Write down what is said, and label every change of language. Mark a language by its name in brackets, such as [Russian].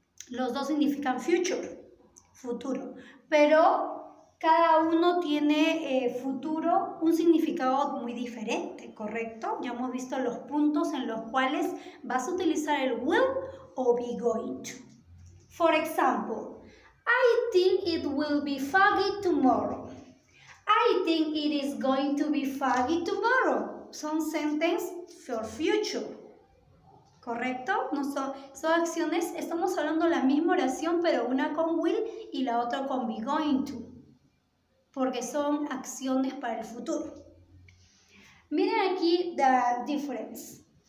[Spanish] Los dos significan future, futuro. Pero cada uno tiene futuro, un significado muy diferente, ¿correcto? Ya hemos visto los puntos en los cuales vas a utilizar el will o be going to. [English] For example, I think it will be foggy tomorrow. I think it is going to be foggy tomorrow. [Spanish] Son [English] sentences for future. [Spanish] ¿Correcto? No son acciones, estamos hablando la misma oración, pero una con will y la otra con be going to. Porque son acciones para el futuro. Miren aquí [English] the difference.